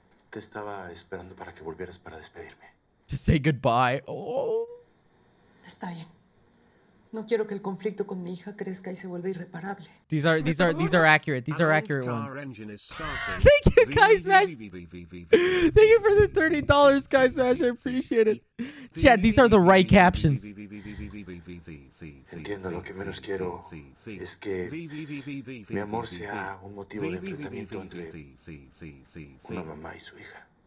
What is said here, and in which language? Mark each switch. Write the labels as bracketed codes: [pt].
[es] Te estaba esperando para que volvieras para despedirme. [en] To say goodbye. Oh. [es] Está bien. No quiero que el conflicto con mi hija crezca y se vuelva irreparable. [en] These are accurate. These are accurate ones. Thank you, GuySmash. Thank you for the $30, GuySmash. I appreciate it. Chat, these are the right captions. [es] Entiendo, lo que menos quiero es que mi amor sea un motivo de enfrentamiento entre una mamá y su hija.